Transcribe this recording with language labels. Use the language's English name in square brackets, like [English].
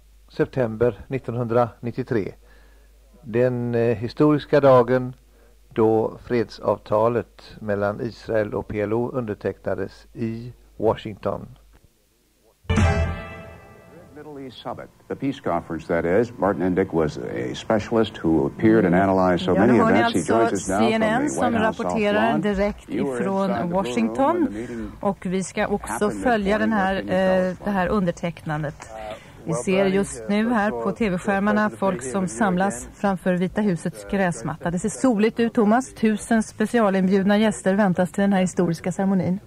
[Swedish] September 1993, den historiska dagen då fredsavtalet mellan Israel och PLO undertecknades i Washington. [English] Red, middle, Middle East summit, the peace conference that is. Martin Indyk was a specialist who appeared and analyzed so many events. [Swedish] Alltså [English] he joins us now CNN from the White House. [Swedish] CNN som rapporterar direkt ifrån Washington, och vi ska också följa den här det här undertecknandet. Vi ser just nu här på tv-skärmarna folk som samlas framför Vita husets gräsmatta. Det ser soligt ut, Thomas. 1000 specialinbjudna gäster väntas till den här historiska ceremonin.